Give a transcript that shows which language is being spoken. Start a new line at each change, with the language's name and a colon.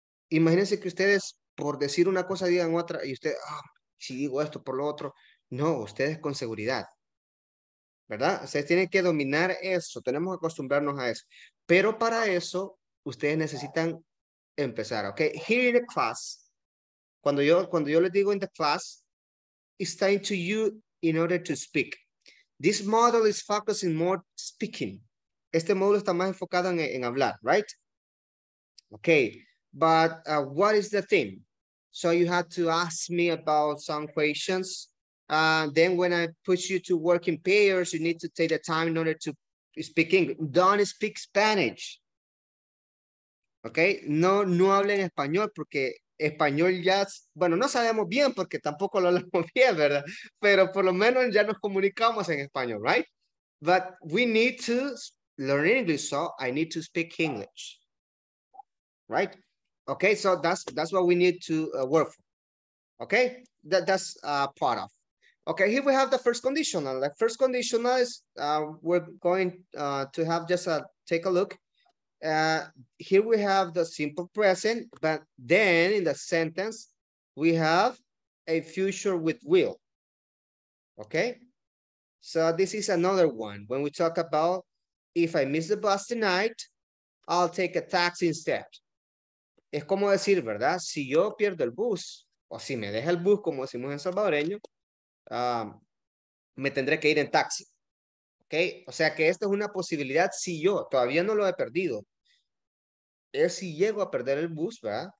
Spanish: Imagínense que ustedes, por decir una cosa, digan otra, y usted, si digo esto por lo otro. No, ustedes con seguridad, ¿verdad? O sea, tienen que dominar eso, tenemos que acostumbrarnos a eso. Pero para eso, ustedes necesitan empezar, ¿ok?
English: Here in the class,
Spanish: cuando yo les digo
English: in the class, it's time to you in order to speak. This model is focusing more speaking.
Spanish: Este módulo está más enfocado en hablar, right?
English: Ok, but what is the thing? So you have to ask me about some questions. Then when I push you to work in pairs, you need to take the time in order to speak English. Don't speak Spanish. Okay?
Spanish: No hablen español porque español ya, bueno, no sabemos bien porque tampoco lo hablamos bien, ¿verdad? Pero por lo menos ya nos comunicamos en español, right?
English: But we need to learn English, so I need to speak English. Right? Okay, so that's what we need to work for. Okay? That's part of. Okay, here we have the first conditional. The first conditional is we're going to have just a take a look. Here we have the simple present, but then in the sentence, we have a future with will. Okay, so this is another one. When we talk about if I miss the bus tonight, I'll take a taxi instead.
Spanish: Es como decir, ¿verdad? Si yo pierdo el bus, o si me deja el bus, como decimos en salvadoreño, me tendré que ir en taxi. Ok, o sea que esta es una posibilidad. Si yo todavía no lo he perdido, es si llego a perder el bus, ¿verdad?